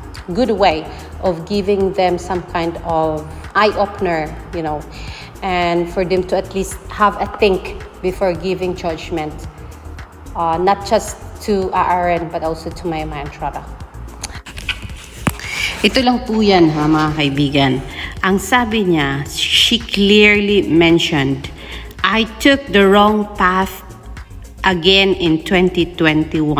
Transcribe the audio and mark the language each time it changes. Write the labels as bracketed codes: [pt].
[en] good way of giving them some kind of eye-opener, you know, and for them to at least have a think before giving judgment, not just to Aaron, but also to Maymay Entrata. [tl] Ito lang po yan, ha, mga kaibigan. Ang sabi niya, [en] she clearly mentioned, I took the wrong path again in 2021.